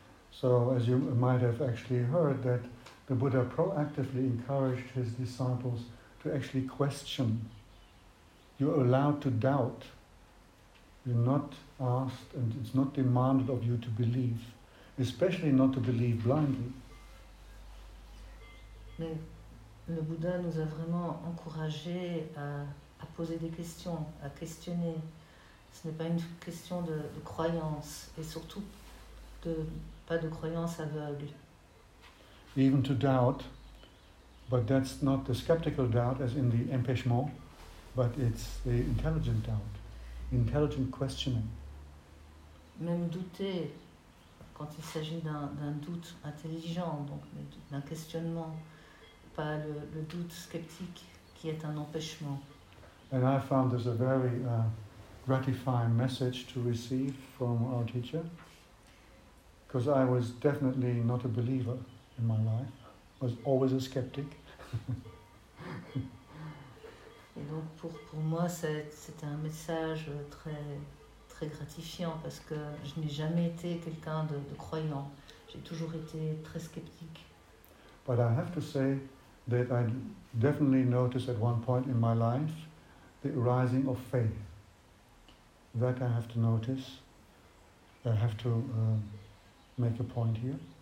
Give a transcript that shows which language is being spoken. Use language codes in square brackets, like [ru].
[en] So, as you might have actually heard, that the Buddha proactively encouraged his disciples to actually question. You're allowed to doubt. You're not asked, and it's not demanded of you to believe, especially not to believe blindly. [fr] Mais le Bouddha nous a vraiment encouragé à poser des questions, à questionner. Ce n'est pas une question de croyance, et surtout pas de croyance aveugle. [en] Even to doubt, but that's not the skeptical doubt as in the empêchement, but it's the intelligent doubt, intelligent questioning. [fr] Même douter, quand il s'agit d'un doute intelligent, donc d'un questionnement, pas le doute sceptique qui est un empêchement. [en] And I found there's a very gratifying message to receive from our teacher, because I was definitely not a believer in my life. I was always a skeptic. [fr] Et donc pour moi c'était un message très très gratifiant parce que je n'ai jamais été quelqu'un de croyant. J'ai toujours été très sceptique. [en] But I have to say that I definitely noticed at one point in my life the arising of faith. That I have to notice, I have to make a point here.